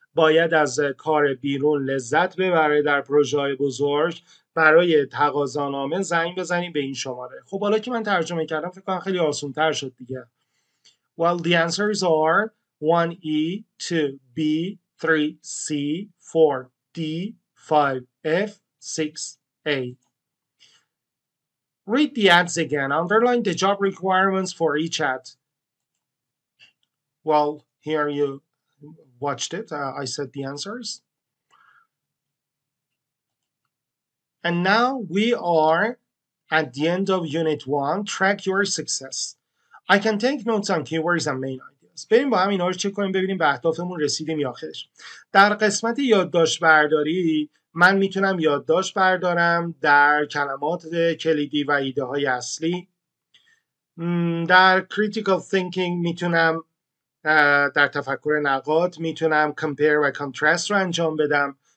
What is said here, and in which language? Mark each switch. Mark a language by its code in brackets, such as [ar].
[fa] باید از کار بیرون لذت ببره در پروژه‌های بزرگ. برای تقاضانامه زنگ بزنید به این شماره. خب حالا که من ترجمه کردم فکر کنم خیلی آسان‌تر شد دیگه. [en] Well, the answers are 1E, 2B, 3C, 4D, 5F, 6A. Read the ads again. Underline the job requirements for each ad. Well, here you watched it. I said the answers. And now we are at the end of Unit 1. Track your success. I can take notes on keywords and main ideas. [fa] بریم با هم اینا رو چک کنیم ببینیم به اهدافمون رسیدیم یا خیر. در قسمت یادداشت برداری من میتونم یادداشت بردارم در کلمات کلیدی و ایده های اصلی. در critical thinking میتونم در تفکر نقاد میتونم compare و contrast رو انجام بدم.